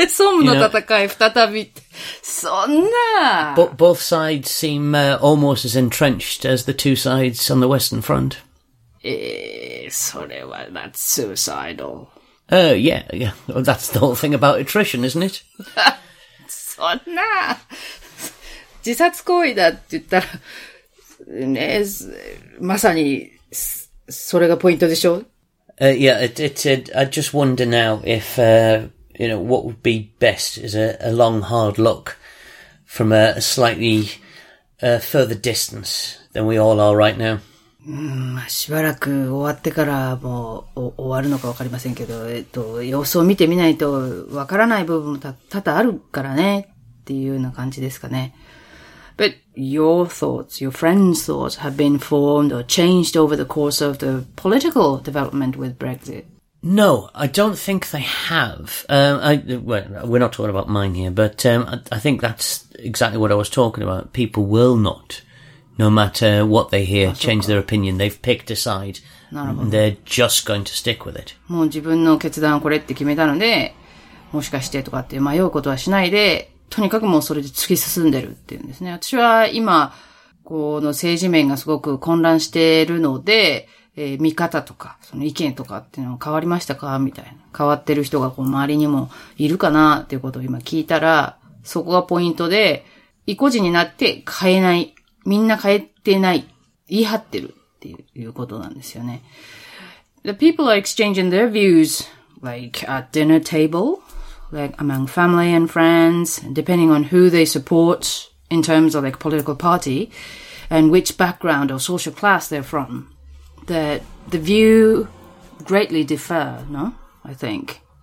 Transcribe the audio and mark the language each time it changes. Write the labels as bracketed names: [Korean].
[Japanese] Somme の戦い再び。そんな。 [English] Both sides seem almost as entrenched as the two sides on the Western Front. [Japanese] それは、 [English] that's suicidal. Yeah. Well, that's the whole thing about attrition, isn't it? [Japanese] そんな。自殺行為だって言ったら、ね、まさに、それがポイントでしょ? [English] I just wonder now if what would be best is a long, hard look from a slightly further distance than we all are right now. [Japanese] しばらく終わってからもう終わるのかわかりませんけど、様子を見てみないとわからない部分も多々あるからねっていうような感じですかね。 [English] But your thoughts, your friends' thoughts have been formed or changed over the course of the political development with Brexit. No, I don't think they have. We're not talking about mine here, but I think that's exactly what I was talking about. People will not, no matter what they hear, change their opinion. They've picked a side. They're just going to stick with it. [Japanese] もう自分の決断これって決めたので、もしかしてとかって迷うことはしないで、とにかくもうそれで突き進んでるっていうんですね。私は今、この政治面がすごく混乱しているので、見方とか、その意見とかっていうのは変わりましたかみたいな。変わってる人がこう周りにもいるかなっていうことを今聞いたら、そこがポイントで、意固地になって変えない。みんな変えてない。言い張ってるっていうことなんですよね。 [English] The people are exchanging their views, like at dinner table. Like among family and friends, depending on who they support in terms of like political party and which background or social class they're from, the view greatly differ, no? I think.